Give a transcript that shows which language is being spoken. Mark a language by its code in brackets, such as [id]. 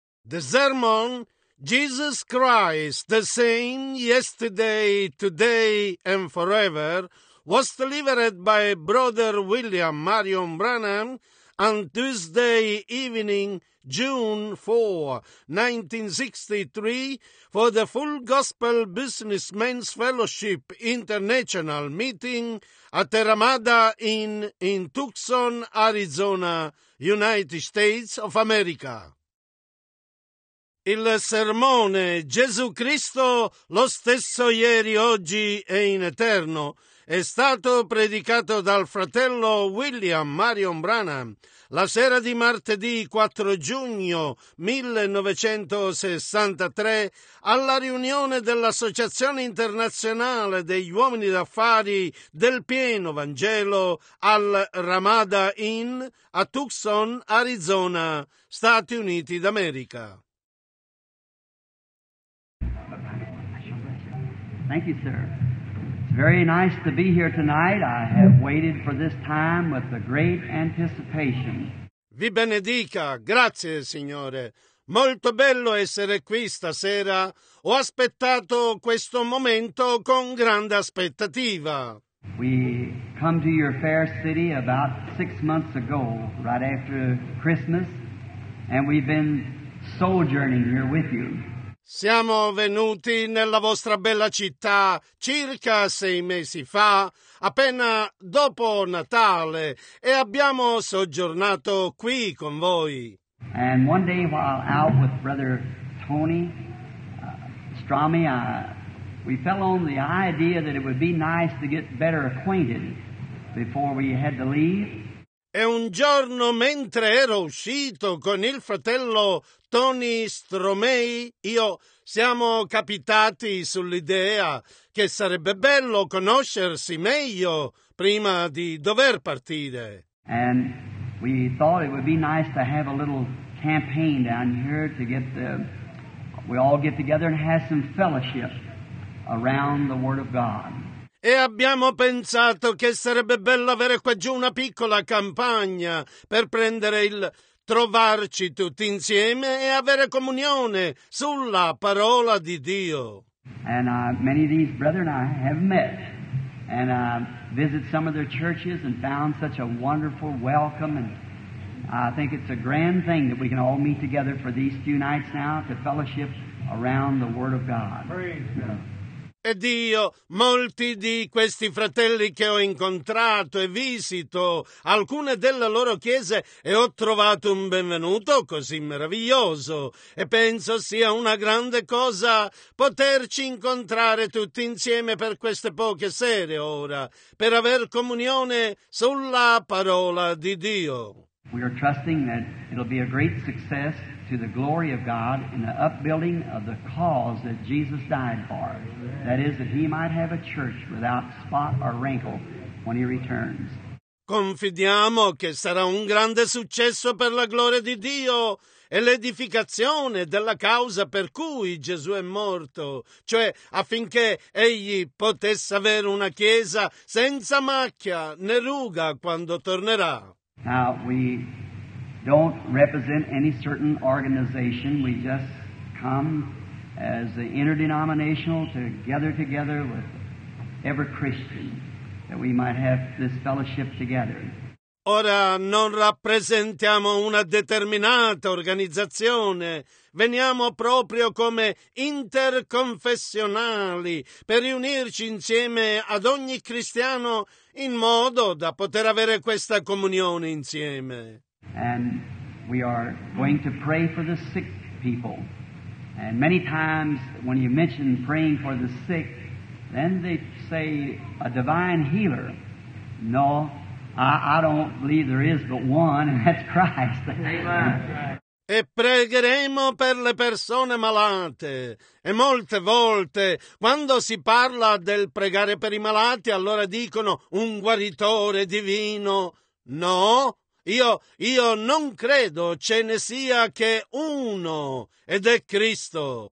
[en] The sermon, Jesus Christ, the same yesterday, today, and forever, was delivered by Brother William Marion Branham on Tuesday evening, June 4, 1963, for the Full Gospel Businessmen's Fellowship International Meeting at the Ramada Inn in Tucson, Arizona, United States of America. [it] Il sermone Gesù Cristo, lo stesso ieri, oggi e in eterno, è stato predicato dal fratello William Marion Branham la sera di martedì 4 giugno 1963 alla riunione dell'Associazione Internazionale degli Uomini d'Affari del Pieno Vangelo al Ramada Inn a Tucson, Arizona, Stati Uniti d'America. [en] Thank you, sir. It's very nice to be here tonight. I have waited for this time with a great anticipation. [it] Vi benedica. Grazie, signore. Molto bello essere qui stasera. Ho aspettato questo momento con grande aspettativa. [en] We come to your fair city about 6 months ago, right after Christmas, and we've been sojourning here with you. [it] Siamo venuti nella vostra bella città circa 6 mesi fa, appena dopo Natale, e abbiamo soggiornato qui con voi. [en] And one day while out with Brother Tony Strami, we fell on the idea that it would be nice to get better acquainted before we had to leave. [it] E un giorno, mentre ero uscito con il fratello Tony Stromei, io siamo capitati sull'idea che sarebbe bello conoscersi meglio prima di dover partire. [en] And we thought it would be nice to have a little campaign down here to get the, we all get together and have some fellowship around the Word of God. [it] E abbiamo pensato che sarebbe bello avere qua giù una piccola campagna per prendere il trovarci tutti insieme e avere comunione sulla parola di Dio. [en] And many of these brethren I have met and visit some of their churches and found such a wonderful welcome, and I think it's a grand thing that we can all meet together for these few nights now to fellowship around the Word of God. Praise God. [it] Ed io, molti di questi fratelli che ho incontrato e visito alcune delle loro chiese e ho trovato un benvenuto così meraviglioso, e penso sia una grande cosa poterci incontrare tutti insieme per queste poche sere ora, per aver comunione sulla parola di Dio. [en] We are trusting that it'll be a great success to the glory of God in the upbuilding of the cause that Jesus died for. That is, that he might have a church without spot or wrinkle when he returns. [it] Confidiamo che sarà un grande successo per la gloria di Dio e l'edificazione della causa per cui Gesù è morto, cioè affinché egli potesse avere una chiesa senza macchia né ruga quando tornerà. [en] Now we don't represent any certain organization. We just come as the interdenominational to gather together with every Christian that we might have this fellowship together. [it] Ora non rappresentiamo una determinata organizzazione. Veniamo proprio come interconfessionali per riunirci insieme ad ogni cristiano in modo da poter avere questa comunione insieme. [en] And we are going to pray for the sick people. And many times when you mention praying for the sick, then they say a divine healer. No, I don't believe there is but one, and that's Christ. Amen. [it] E pregheremo per le persone malate. E molte volte, quando si parla del pregare per i malati, allora dicono un guaritore divino. No, io non credo ce ne sia che uno, ed è Cristo.